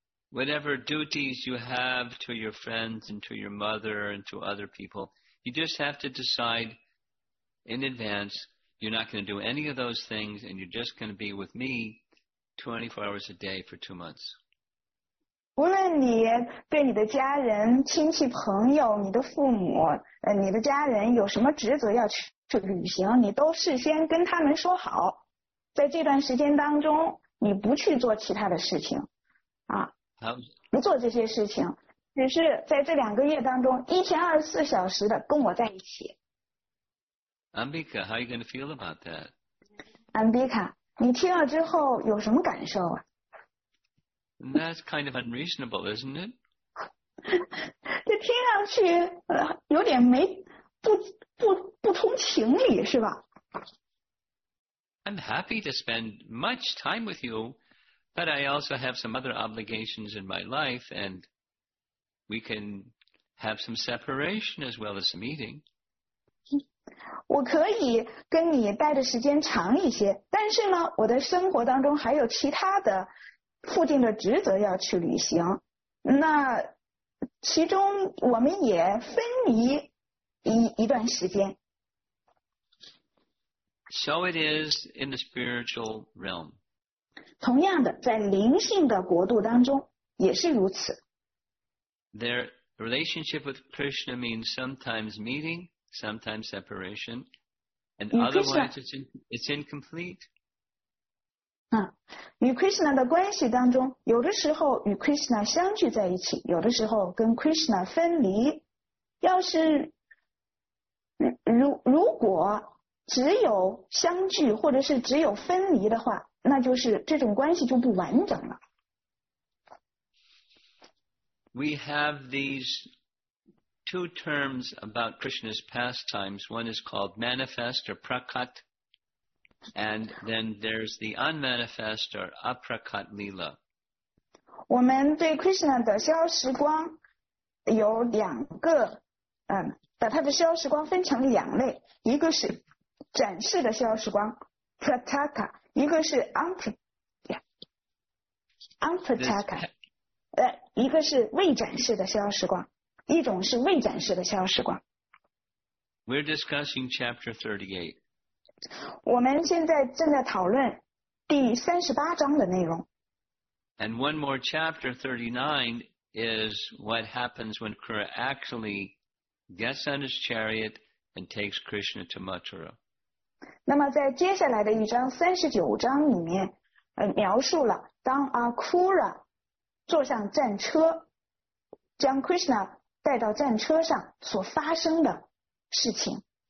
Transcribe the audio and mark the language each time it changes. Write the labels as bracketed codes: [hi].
[en] Whatever duties you have to your friends and to your mother and to other people, you just have to decide in advance you're not going to do any of those things and you're just going to be with me 24 hours a day for 2 months. [zh] 无论你对你的家人、亲戚、朋友、你的父母、你的家人有什么职责要去旅行，你都事先跟他们说好，在这段时间当中你不去做其他的事情啊，不做这些事情，只是在这两个月当中一天二十四小时的跟我在一起。 [en] Ambika, how are you going to feel about that? [zh] Ambika, 你听了之后有什么感受啊？ [en] That's kind of unreasonable, isn't it? [zh] 这听上去有点没不通情理，是吧？ [en] I'm happy to spend much time with you, but I also have some other obligations in my life, and we can have some separation as well as some eating. [zh] 我可以跟你待的时间长一些，但是呢，我的生活当中还有其他的附近的职责要去履行，那其中我们也分离 一段时间。 [en] So it is in the spiritual realm. [zh] 同样的，在灵性的国度当中也是如此。 [en] Their relationship with Krishna means sometimes meeting, sometimes separation, and otherwise it's incomplete. [zh] 与 Krishna 的关系当中，有的时候与 Krishna 相聚在一起，有的时候跟 Krishna 分离。要是 如果只有相聚或者是只有分离的话，那就是这种关系就不完整了。 [en] We have these two terms about Krishna's pastimes. One is called manifest or prakat. And then there's the unmanifest or aprakat lila. [zh] 我们对 Krishna 的消时光有两个，把它的消时光分成两类，一个是展示的消时光 prataka， 一个是 unprataka， 一个是未展示的消时光，一种是未展示的消时光。 [en] We're discussing chapter 38. [zh] 我们现在正在讨论第38章的内容。 [en] And one more chapter 39 is what happens when Kura actually gets on his chariot and takes Krishna to Mathura. [zh] 那么在接下来的一章39章里面描述了当 Akura 坐上战车将 Krishna 带到战车上所发生的事情。